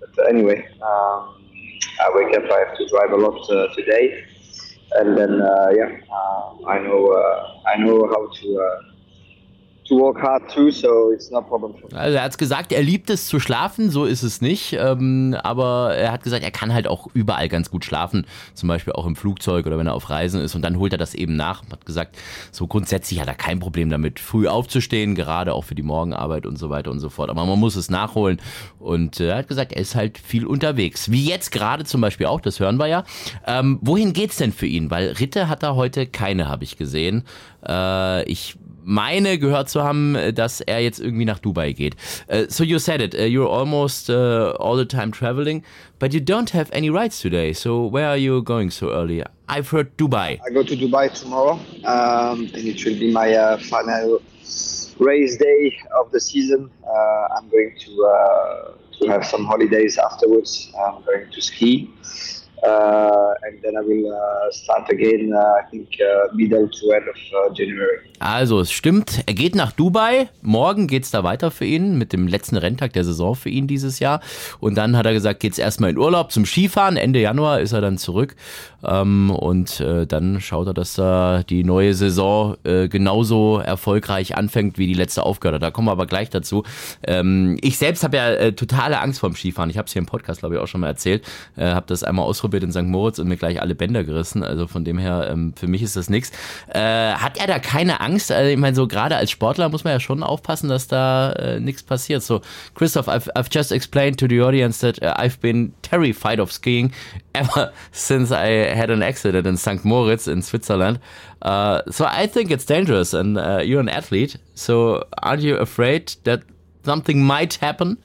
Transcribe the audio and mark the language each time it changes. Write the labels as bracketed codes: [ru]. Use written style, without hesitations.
[en] But anyway, I wake up, I have to drive a lot today, and then I know how to work hard too, so it's not a problem for me. [de] Also er hat gesagt, er liebt es zu schlafen, so ist es nicht, aber er hat gesagt, er kann halt auch überall ganz gut schlafen, zum Beispiel auch im Flugzeug oder wenn er auf Reisen ist, und dann holt er das eben nach. Hat gesagt, so grundsätzlich hat er kein Problem damit, früh aufzustehen, gerade auch für die Morgenarbeit und so weiter und so fort, aber man muss es nachholen. Und er hat gesagt, er ist halt viel unterwegs, wie jetzt gerade zum Beispiel auch, das hören wir ja. Wohin geht's denn für ihn, weil Ritte hat er heute keine, habe ich gesehen. Ich meine gehört zu haben, dass er jetzt irgendwie nach Dubai geht. [en] So you said it, you're almost all the time traveling, but you don't have any rides today. So where are you going so early? I've heard Dubai. I go to Dubai tomorrow, and it will be my final race day of the season. I'm going to have some holidays afterwards. I'm going to ski. And then I will start again, I think, middle to end of January. [de] Also, es stimmt, er geht nach Dubai, morgen geht's da weiter für ihn, mit dem letzten Renntag der Saison für ihn dieses Jahr. Und dann hat er gesagt, geht's erstmal in Urlaub zum Skifahren, Ende Januar ist er dann zurück. Dann schaut er, dass er die neue Saison genauso erfolgreich anfängt, wie die letzte aufgehört hat. Da kommen wir aber gleich dazu. Ich selbst habe ja totale Angst vorm Skifahren. Ich habe es hier im Podcast, glaube ich, auch schon mal erzählt. Habe das einmal ausprobiert in St. Moritz und mir gleich alle Bänder gerissen. Also von dem her, für mich ist das nichts. Hat er da keine Angst? Also ich meine, so gerade als Sportler muss man ja schon aufpassen, dass da nichts passiert. [en] So, Christoph, I've just explained to the audience that I've been terrified of skiing ever since I had an accident in St. Moritz in Switzerland. So I think it's dangerous, and you're an athlete, so aren't you afraid that something might happen?